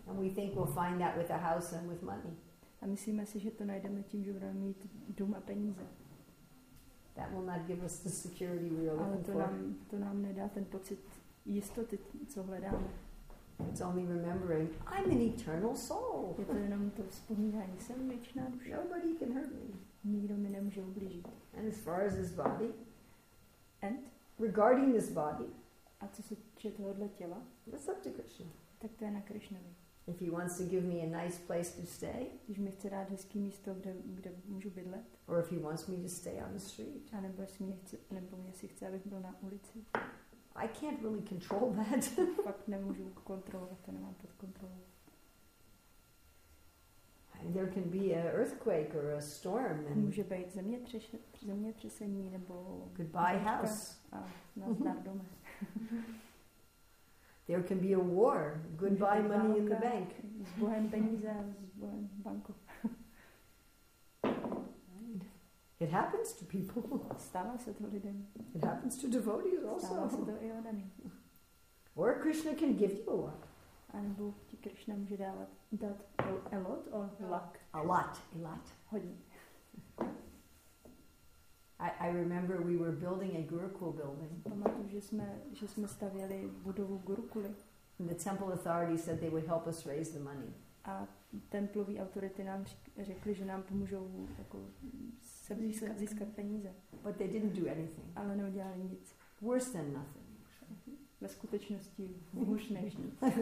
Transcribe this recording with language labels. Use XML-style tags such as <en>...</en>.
<en>And we think we'll find that with a house and with money.</en> <cs>A myslíme si, že to najdeme tím, že budeme mít dům a peníze.</cs> <en>That will not give us the security we are looking for.</en> <cs>Ale to nám nedá ten pocit jistoty, co hledáme.</cs> <en>It's only remembering, I'm an eternal soul.</en> <cs>Je to jenom to vzpomínání, jsem věčná duše.</cs> <en>Nobody can hurt me.</en> <cs>Nikdo mi nemůže ublížit.</cs> <en>And as far as this body, and regarding this body,</en> <cs>a co se týče tohohle těla,</cs> <en>that's up to Krishna.</en> <cs>Tak to je na Krishnovi.</cs> <en>If he wants to give me a nice place to stay,</en> <cs>když mi chce dát hezký místo, kde můžu bydlet,</cs> <en>or if he wants me to stay on the street,</en> <cs>a nebo jestli chce, abych byl na ulici,</cs> <en>I can't really control that.</en> <cs>Pak nemůžu kontrolovat, to nemám pod kontrolou.</cs> <en>There can be an earthquake or a storm, and</en> <cs>může být zemětřesení nebo</cs> <en>goodbye house.</en> <cs>A nazdar doma.</cs> <en>There can be a war. Goodbye money in the bank.</en> <cs>Zbohem peníze, zbohem banku.</cs> <en>It happens to people.</en> <cs>Stává se to lidem.</cs> <en>It happens to devotees</en> <cs>stává</cs> <en>also.</en> <cs>Stává se to i onami.</cs> <en>Or Krishna can give you a lot.</en> <cs>A nebo ti Krishna může dát</cs> <en>a lot or luck. A lot.</en> <cs>Hodně.</cs> <en>I remember we were building a Gurukul building.</en> <cs>Pamatuju, že jsme stavěli budovu Gurukuly.</cs> <en>And the temple authority said they would help us raise the money.</en> <cs>A templové autority nám řekli, že nám pomůžou jako získat peníze.</cs> <en>But they didn't do anything.</en> <cs>Ale neudělali nic.</cs> <en>Worse than nothing.</en> <cs>Ve skutečnosti hůř než nic.</cs>